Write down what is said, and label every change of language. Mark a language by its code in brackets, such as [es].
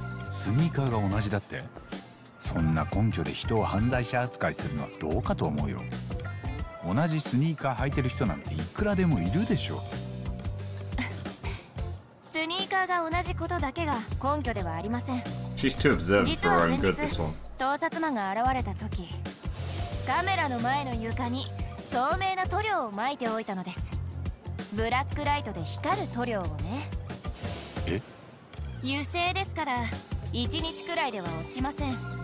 [ja] スニーカーが同じだって。そんな根拠で人を犯罪者扱いするのはどうかと思うよ。同じスニーカー履いてる人なんていくらでもいるでしょう。スニーカーが同じことだけが根拠ではありません。 [en] She's too observant for her own good, this one. [ja] 盗撮魔が現れた時、カメラの前の床に透明な塗料を撒いておいたのです。ブラックライトで光る塗料をね。え？油性ですから1日くらいでは落ちません。